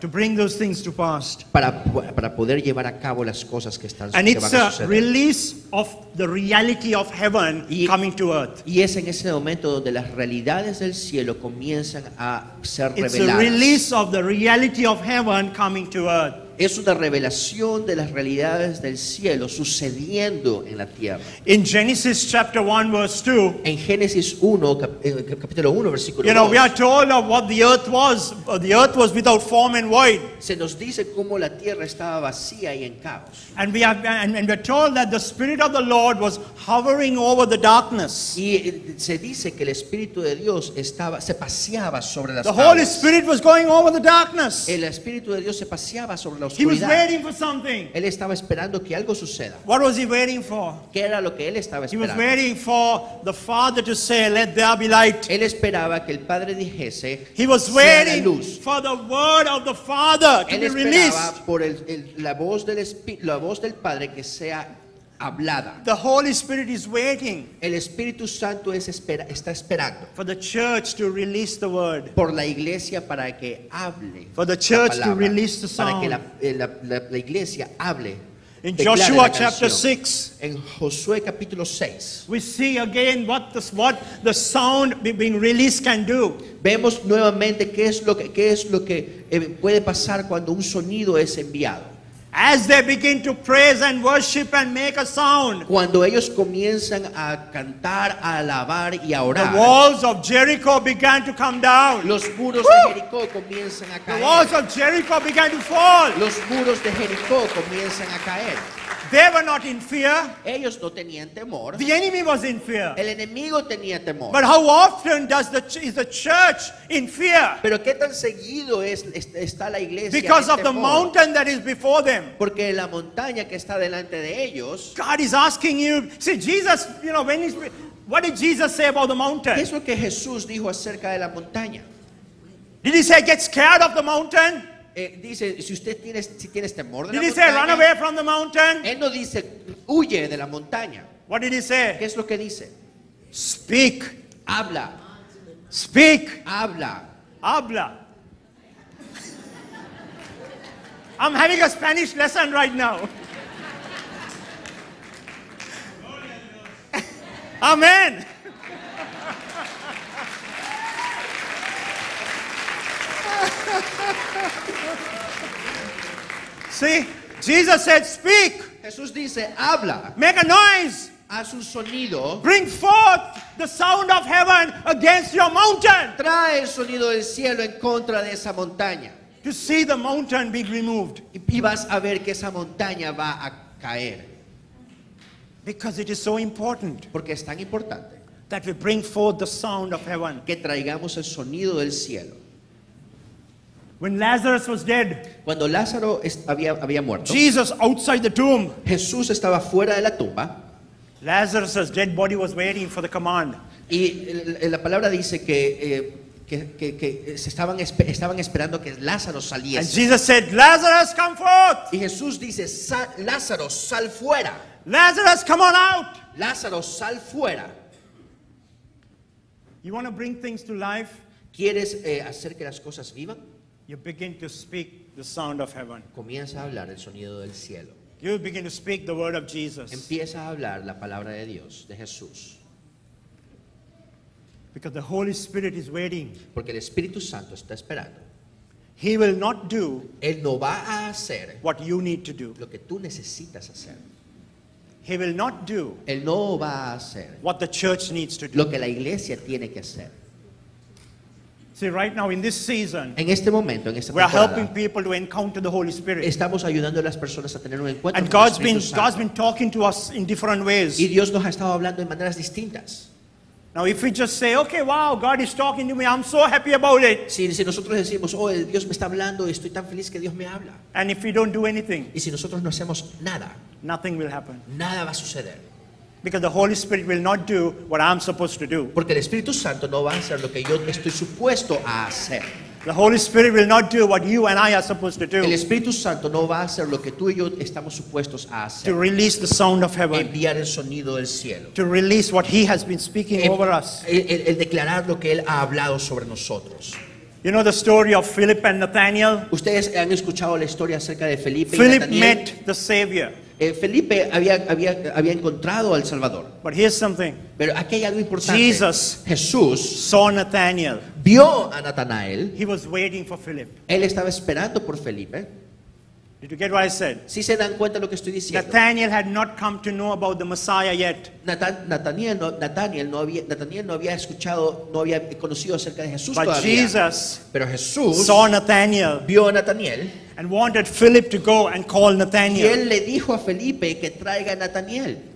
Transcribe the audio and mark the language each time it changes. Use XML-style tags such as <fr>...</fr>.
<en>To bring those things to pass.</en> <es>Para poder llevar a cabo las cosas que están sucediendo.</es> <en>And it's a release of the reality of heaven coming to earth.</en> <es>Y es en ese momento donde las realidades del cielo comienzan a ser</es> <en>it's</en> <es>reveladas.</es> <en>It's a release of the reality of heaven coming to earth.</en> <es>Es una revelación de las realidades del cielo sucediendo en la tierra.</es> <en>In Genesis chapter 1 verse 2.</en> <es>En Génesis 1 capítulo 1 versículo 2.</es> <en>You know, we are told of what the earth was. The earth was without form and void.</en> <es>Se nos dice cómo la tierra estaba vacía y en caos.</es> <en>And we are told that the Spirit of the Lord was hovering over the darkness.</en> <es>Y se dice que el Espíritu de Dios estaba se paseaba sobre las tinieblas.</es> <en>The Holy Spirit was going over the darkness.</en> <es>El Espíritu de Dios se paseaba sobre oscuridad.</es> <en>He was waiting for something.</en> <es>Él estaba esperando que algo suceda.</es> <en>What was he waiting for?</en> <es>¿Qué era lo que él estaba esperando?</es> <en>He was waiting for the Father to say, "Let there be light."</en> <es>Él esperaba que el Padre dijese,</es> <en>he was waiting for the word of the Father to</en> <es>él</es> <en>be released.</en> <es>Él esperaba por la voz del Padre que sea hablada.</es> <en>The Holy Spirit is waiting.</en> <es>El Espíritu Santo está esperando.</es> <en>For the church to release the word.</en> <es>Por la iglesia para que hable.</es> <en>For the church to release the sound.</en> <es>Para que la iglesia hable.</es> <en>In Joshua chapter 6.</en> <es>En Josué capítulo 6.</es> <en>We see again what the sound being released can do.</en> <es>Vemos nuevamente qué es lo que puede pasar cuando un sonido es enviado.</es> <en>As they begin to praise and worship and make a sound,</en> <es>cuando ellos comienzan a cantar, a alabar y a orar,</es> <en>the walls of Jericho began to come down.</en> <es>Los muros de Jericó comienzan a caer.</es> <en>The walls of Jericho began to fall.</en> <es>Los muros de Jericó comienzan a caer.</es> <en>They were not in fear.</en> <es>Ellos no tenían temor.</es> <en>The enemy was in fear.</en> <es>El enemigo tenía temor.</es> <en>But how often is the church in fear?</en> <es>Pero qué tan seguido está la iglesia en temor.</es> <en>Because of the mountain that is before them.</en> <es>Porque la montaña que está delante de ellos.</es> <en>God is asking you. See, Jesus, you know, what did Jesus say about the mountain?</en> <es>¿Qué es lo que Jesús dijo acerca de la montaña?</es> <en>Did he say, "Get scared of the mountain"?</en> <es>Dice, si tienes temor de la</es> <en>he</en> <es>montaña,</es> <en>say, "Run away from the mountain"?</en> <es>Él no dice, huye de la montaña.</es> <en>What did he say?</en> <es>¿Qué es lo que dice?</es> <en>Speak.</en> <es>Habla.</es> <en>Speak.</en> <es>Habla. Habla.</es> <en>I'm having a Spanish lesson right now. Amen. See, Jesus said, "Speak."</en> <es>Jesús dice, habla.</es> <en>Make a noise.</en> <es>Haz un sonido.</es> <en>Bring forth the sound of heaven against your mountain.</en> <es>Trae el sonido del cielo en contra de esa montaña.</es> <en>To see the mountain be removed.</en> <es>Y vas a ver que esa montaña va a caer.</es> <en>Because it is so important.</en> <es>Porque es tan importante.</es> <en>That we bring forth the sound of heaven.</en> <es>Que traigamos el sonido del cielo.</es> <en>When Lazarus was dead,</en> <es>cuando Lázaro había muerto,</es> <en>Jesus outside the tomb,</en> <es>Jesús estaba fuera de la tumba.</es> <en>Lazarus's dead body was waiting for the command.</en> <es>Y la palabra dice que estaban esperando que Lázaro saliese.</es> <en>And Jesus said, "Lazarus, come forth."</en> <es>Y Jesús dice, Lázaro, sal fuera.</es> <en>Lazarus, come on out.</en> <es>Lázaro, sal fuera.</es> <en>You want to bring things to life?</en> <es>¿Quieres hacer que las cosas vivan?</es> <en>You begin to speak the sound of heaven.</en> <es>Comienza a hablar el sonido del cielo.</es> <en>You begin to speak the word of Jesus.</en> <es>Empieza a hablar la palabra de Dios, de Jesús.</es> <en>Because the Holy Spirit is waiting.</en> <es>Porque el Espíritu Santo está esperando.</es> <en>He will not do.</en> <es>Él no va a hacer.</es> <en>What you need to do.</en> <es>Lo que tú necesitas hacer.</es> <en>He will not do.</en> <es>Él no va a hacer.</es> <en>What the church needs to do.</en> <es>Lo que la iglesia tiene que hacer.</es> <en>See, right now in this season,</en> <es>en este momento, en esta</es> <en>we are helping people to encounter the Holy Spirit.</en> <es>Estamos ayudando a las personas a tener un encuentro</es> <en>and</en> <es>con el Espíritu</es> <en>been,</en> <es>Santo.</es> <en>And God's been talking to us in different ways.</en> <es>Y Dios nos ha estado hablando de maneras distintas.</es> <en>Now, if we just say, "Okay, wow, God is talking to me. I'm so happy about it."</en> <es>Si nosotros decimos, "Oh, Dios me está hablando. Estoy tan feliz que Dios me habla."</es> <en>And if we don't do anything,</en> <es>y si nosotros no hacemos nada,</es> <en>nothing will happen.</en> <es>Nada va a suceder.</es> <en>Because the Holy Spirit will not do what I'm supposed to do.</en> <es>Porque el Espíritu Santo no va a hacer lo que yo estoy supuesto a hacer.</es> <en>The Holy Spirit will not do what you and I are supposed to do.</en> <es>El Espíritu Santo no va a hacer lo que tú y yo estamos supuestos a hacer.</es> <en>To release the sound of heaven.</en> <es>Enviar el sonido del cielo.</es> <en>To release what He has been speaking over us.</en> <es>El declarar lo que Él ha hablado sobre nosotros.</es> <en>You know the story of Philip and Nathaniel.</en> <es>Ustedes han escuchado la historia acerca de Felipe</es> <en>Philip</en> <es>y Nathaniel.</es> <en>Philip met the Savior.</en> <es>Felipe había encontrado al Salvador.</es> <en>But here's something.</en> <es>Pero aquí hay algo importante.</es> <en>Jesus</en> <es>Jesús</es> <en>saw Nathaniel.</en> <es>Vio a Natanael.</es> <en>He was waiting for Philip.</en> <es>Él estaba esperando por Felipe.</es> <en>Did you get what I said?</en> <es>¿Sí se dan cuenta lo que estoy diciendo?</es> <en>Nathaniel had not come to know about the Messiah yet.</en> <es>Nathaniel no había escuchado, no había conocido acerca de Jesús</es> <en>but</en> <es>todavía.</es> <en>Jesus</en> <es>pero Jesús</es> <en>saw Nathaniel.</en> <es>Vio a Nathaniel.</es> <en>And wanted Philip to go and call Nathaniel.</en> <es>Y él le dijo a Felipe que traiga a Nathaniel.</es>